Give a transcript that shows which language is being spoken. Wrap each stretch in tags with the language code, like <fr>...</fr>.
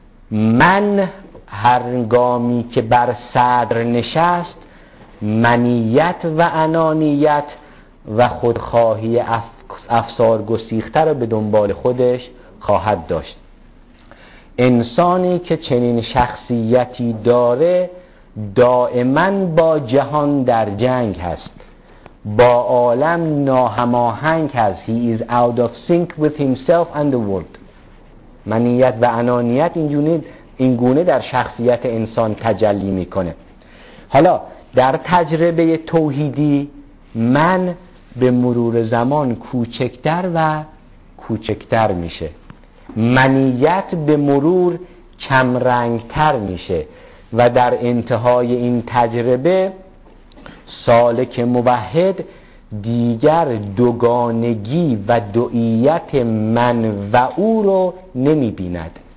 <fa>من هرگامی که بر صدر نشست، منیت و انانیت و خودخواهی افسار گسیخته رو به دنبال خودش خواهد داشت. انسانی که چنین شخصیتی داره دائما با جهان در جنگ هست، با عالم ناهماهنگ هست.</fa> <en>He is out of sync with himself and the world.</en> <fa>منیت و انانیت اینگونه در شخصیت انسان تجلی میکنه. حالا در تجربه توحیدی من به مرور زمان کوچکتر و کوچکتر میشه، منیت به مرور کمرنگتر میشه و در انتهای این تجربه سالک موحد دیگر دوگانگی و دوئیت من و او رو نمیبیند.</fa>